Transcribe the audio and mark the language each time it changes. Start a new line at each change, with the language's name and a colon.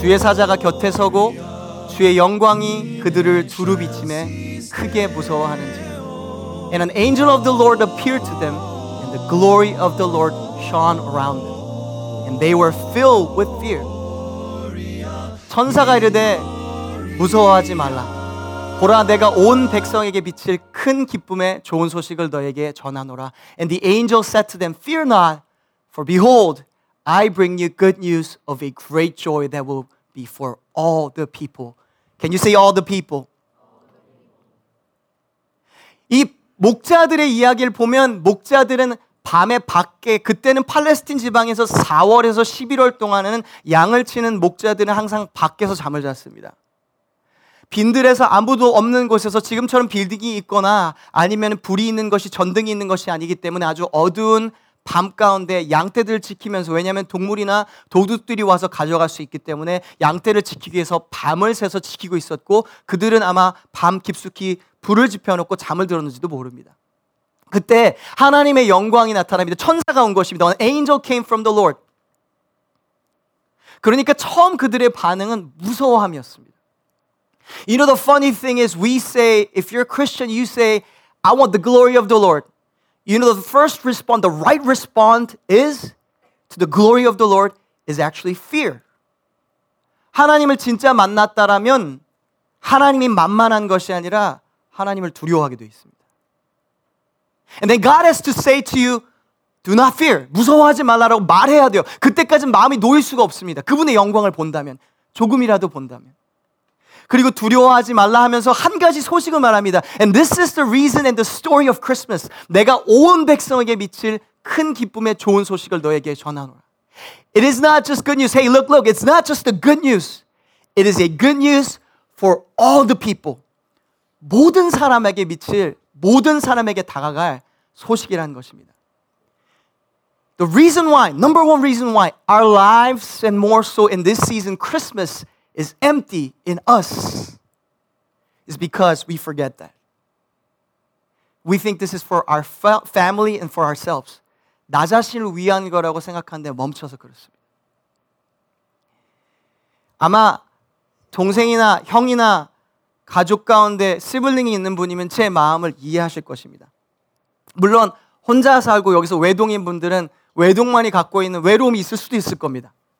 Korean: 주의 사자가 곁에 서고 주의 영광이 그들을 두루 비침에 크게 무서워하는지 And an angel of the Lord appeared to them and the glory of the Lord shone around them.
English: And they were filled with fear.
Korean: 천사가 이르되 무서워하지 말라. 보라 내가 온 백성에게 비칠 큰 기쁨의 좋은 소식을 너에게 전하노라.
English: And the angel said to them, Fear not, for behold, I bring you good news of a great joy that will be for all the people. Can you say all the people?
Korean: 이 목자들의 이야기를 보면 목자들은 밤에 밖에 그때는 팔레스틴 지방에서 4월에서 11월 동안에는 양을 치는 목자들은 항상 밖에서 잠을 잤습니다. 빈들에서 아무도 없는 곳에서 지금처럼 빌딩이 있거나 아니면 불이 있는 것이 전등이 있는 것이 아니기 때문에 아주 어두운 밤 가운데 양떼들을 지키면서 왜냐하면 동물이나 도둑들이 와서 가져갈 수 있기 때문에 양떼를 지키기 위해서 밤을 새서 지키고 있었고 그들은 아마 밤 깊숙이 불을 지펴놓고 잠을 들었는지도 모릅니다. 그때 하나님의 영광이 나타납니다. 천사가 온 것입니다. An angel came from the Lord. 그러니까 처음 그들의 반응은 무서워함이었습니다.
English: You know the funny thing is we say, if you're a Christian, you say, I want the glory of the Lord. You know the first response, the right response is to the glory of the Lord is actually fear.
Korean: 하나님을 진짜 만났다라면 하나님이 만만한 것이 아니라 하나님을 두려워하게 되어 있습니다.
English: And then God has to say to you, do not fear.
Korean: 무서워하지 말라라고 말해야 돼요. 그때까지는 마음이 놓일 수가 없습니다. 그분의 영광을 본다면, 조금이라도 본다면. 그리고 두려워하지 말라 하면서 한 가지 소식을 말합니다.
English: And this is the reason and the story of Christmas.
Korean: 내가 온 백성에게 미칠 큰 기쁨의 좋은 소식을 너에게 전하노라.
English: It is not just good news. Hey, look, look. It's not just the good news. It is a good news for all the people.
Korean: 모든 사람에게 미칠 모든 사람에게 다가갈 소식이라는 것입니다.
English: The reason why, number one reason why our lives and more so in this season Christmas is empty in us is because we forget that. We think this is for our family and for ourselves.
Korean: 나 자신을 위한 거라고 생각하는데 멈춰서 그렇습니다. 아마 동생이나 형이나 가족 가운데 시블링이 있는 분이면 제 마음을 이해하실 것입니다. 물론 혼자 살고 여기서 외동인 분들은 외동만이 갖고 있는 외로움이 있을 수도 있을 겁니다.